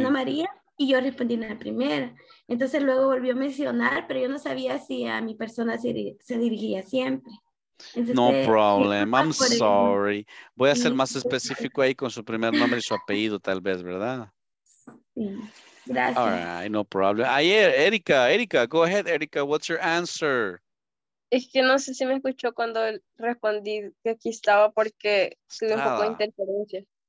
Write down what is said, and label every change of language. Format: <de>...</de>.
<es>Ana María, y yo respondí en la primera. Entonces luego volvió a mencionar, pero yo no sabía si a mi persona se dirigía siempre. Entonces,</es> <en>no problem, I'm sorry.</en> <es>Voy a ser más específico ahí con su primer nombre y su apellido, tal vez, ¿verdad? Sí, gracias.</es> <en>All right, no problem. Ayer, Erika, go ahead, Erika, what's your answer?</en> <es>Es que no sé si me escuchó cuando respondí que aquí estaba porque tuve un poco de interferencia.</es>